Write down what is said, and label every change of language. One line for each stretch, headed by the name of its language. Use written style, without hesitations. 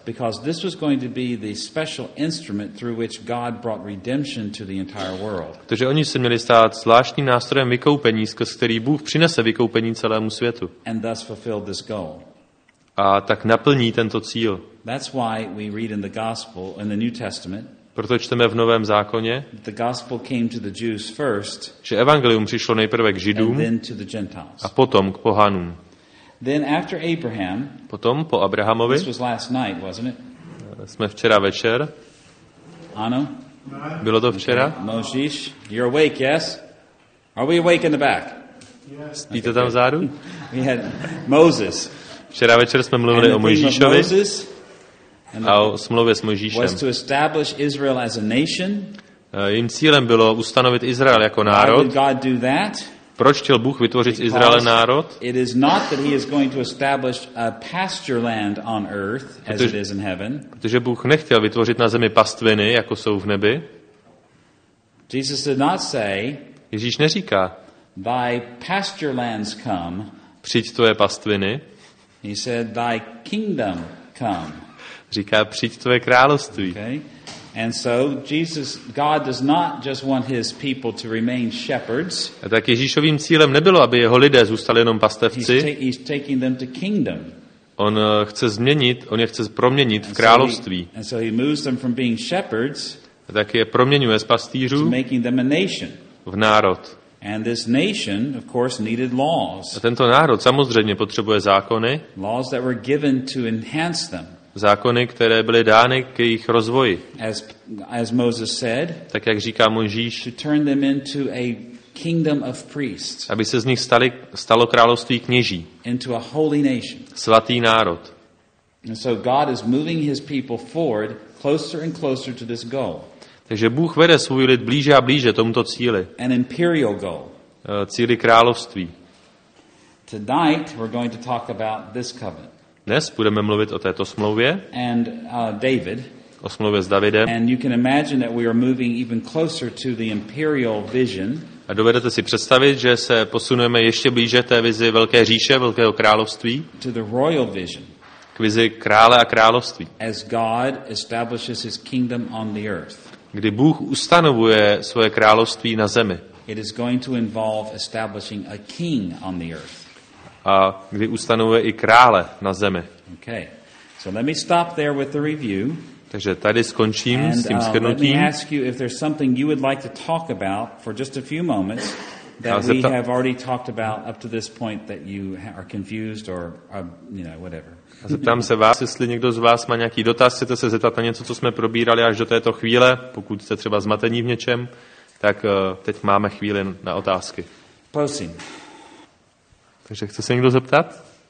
English: Because this was going to be the special instrument through which God brought redemption to the entire world.
Czech: Takže oni se měli stát zvláštním nástrojem vykoupení, skrze který Bůh přinese vykoupení celému světu.
English: And thus fulfilled this goal.
Czech: A tak naplní tento cíl.
English: That's why we read in the gospel in the New Testament.
Czech: Proto čteme v Novém zákoně,
English: the gospel came to the Jews first,
Czech: že evangelium přišlo nejprve k Židům a potom k pohanům.
English: Then after Abraham,
Czech: potom po Abrahamovi,
English: this was last night, wasn't it?
Czech: Jsme včera večer. Ano? Bylo to včera?
English: Mojžíš, you're awake, yes? Are we awake in the back?
Czech: Spíte tam vzadu?
English: We had Moses.
Czech: Včera večer jsme mluvili o Mojžíšovi. A o smlouvě s Mojžíšem.
English: Was to establish Israel as a nation.
Czech: Jím cílem bylo ustanovit Izrael jako národ.
English: Why did God do that?
Czech: Proč chtěl Bůh vytvořit z Izraele národ?
English: It is not that he is going to establish a pasture land on earth as it is in heaven.
Czech: Protože Bůh nechtěl vytvořit na zemi pastviny, jako jsou v nebi.
English: Jesus did not say.
Czech: Ježíš neříká.
English: Thy pasture lands come.
Czech: Přijď tvoje pastviny.
English: He said thy kingdom come.
Czech: Říká, přijď tvoje království.
English: Okay. And so Jesus, God does not just want his people to remain shepherds.
Czech: A tak Ježíšovým cílem nebylo, aby jeho lidé zůstali jenom pastevci.
English: He's taking them to kingdom.
Czech: On chce změnit, on je chce proměnit v království.
English: And so he moves them from being shepherds.
Czech: A tak je proměňuje z pastýřů
English: to making them a nation.
Czech: V národ.
English: And this nation, of course, needed laws.
Czech: A tento národ samozřejmě potřebuje zákony.
English: Laws that were given to enhance them.
Czech: Zákony, které byly dány k jejich rozvoji.
English: As Moses said,
Czech: tak jak říká Mojžíš,
English: to turn them into a kingdom of priests,
Czech: aby se z nich stalo království kněží,
English: into a holy nation,
Czech: svatý národ.
English: And so God is moving his people forward closer and closer to this goal.
Czech: Takže Bůh vede svůj lid blíže a blíže tomuto cíli.
English: An imperial goal.
Czech: Cíli království.
English: Tonight we're going to talk about this covenant.
Czech: Dnes budeme mluvit o této smlouvě.
English: And, David,
Czech: o smlouvě s Davidem.
English: And you can imagine that we are moving even closer to the imperial vision.
Czech: A dovedete si představit, že se posuneme ještě blíže té vizi velké říše, velkého království.
English: To the royal vision.
Czech: K vizi krále a království.
English: As God establishes his kingdom on the earth.
Czech: Kdy Bůh ustanovuje svoje království na zemi.
English: It is going to involve establishing a king on the earth.
Czech: A kdy ustanovuje i krále na zemi.
English: Okay. So let me stop there with the review.
Czech: Takže tady skončím s tím shrnutím.
English: Let me ask you if there's something you would like to talk about for just a few moments that we have already talked about up to this point that you are confused or you know whatever.
Czech: A zeptám se vás, jestli někdo z vás má nějaký dotaz, chcete se zeptat na něco, co jsme probírali až do této chvíle, pokud jste třeba zmatení v něčem, tak teď máme chvíli na otázky. Prosím. Takže chce se někdo zeptat?